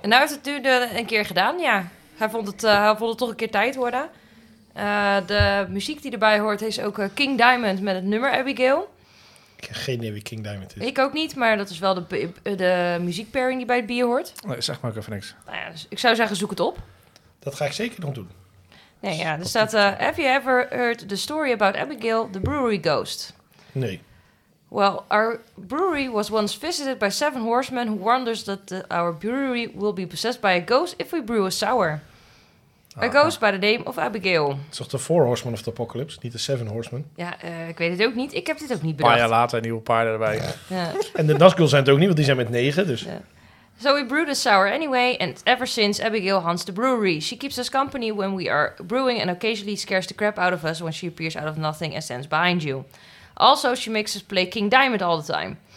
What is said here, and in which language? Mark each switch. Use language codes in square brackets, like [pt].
[nl] En nu heeft het nu een keer gedaan, ja. Hij vond het toch een keer tijd worden. De muziek die erbij hoort is ook King Diamond met het nummer Abigail. Ik heb geen idee wie King Diamond is. Ik ook niet, maar dat is wel de muziekpairing die bij het bier hoort. Nee, zeg maar ook even niks. Nou ja, dus ik zou zeggen, zoek het op. Dat ga ik zeker nog doen. Nee, ja, er staat, [en] have you ever heard the story about Abigail, the brewery ghost? [nl] Nee. [en] Well, our brewery was once visited by 7 horsemen who wonders that our brewery will be possessed by a ghost if we brew a sour. A ghost by the name of Abigail. [nl] Het is toch de 4 [en] horsemen of the apocalypse, [nl] niet de 7 horsemen? Ja, ik weet het ook niet. Ik heb dit ook niet bedacht. Een paar jaar later een nieuwe paarden erbij. Ja. En de Nazgul zijn het ook niet, want die zijn met 9, dus... Ja. [en] So we brewed a sour anyway, and ever since Abigail haunts the brewery. She keeps us company when we are brewing and occasionally scares the crap out of us when she appears out of nothing and stands behind you. Also, she makes us play King Diamond all the time.